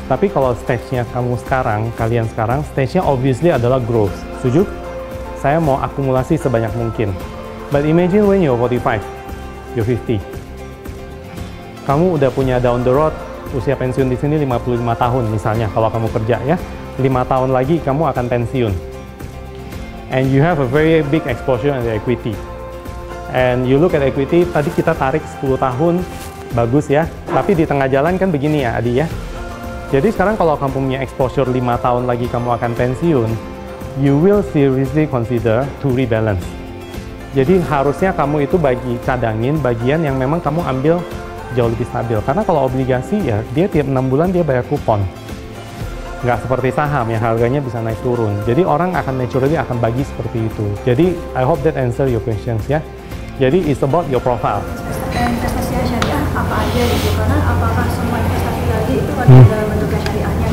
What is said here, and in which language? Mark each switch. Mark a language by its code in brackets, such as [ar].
[id] Tapi kalau stage-nya kamu sekarang, kalian sekarang, stage-nya obviously adalah growth. Setuju? Saya mau akumulasi sebanyak mungkin. [en] But imagine when you're 45, you're 50. [id] Kamu udah punya down the road, usia pensiun di sini 55 tahun misalnya, kalau kamu kerja ya. 5 tahun lagi kamu akan pensiun. [en] And you have a very big exposure on the equity. And you look at equity, [id] tadi kita tarik 10 tahun, bagus ya. Tapi di tengah jalan kan begini ya, Adi ya. Jadi sekarang kalau kamu punya exposure 5 tahun lagi kamu akan pensiun, [en] you will seriously consider to rebalance. [id] Jadi harusnya kamu itu bagi cadangin bagian yang memang kamu ambil jauh lebih stabil. Karena kalau obligasi ya, dia tiap 6 bulan dia bayar kupon. Nggak seperti saham yang harganya bisa naik turun. Jadi orang akan naturally akan bagi seperti itu. [en] Jadi, I hope that answer your questions ya. Jadi, it's about your profile. [id] Investasi syariah apa aja gitu? Karena apakah semua investasi tadi itu ada dalam bentuk syariahnya?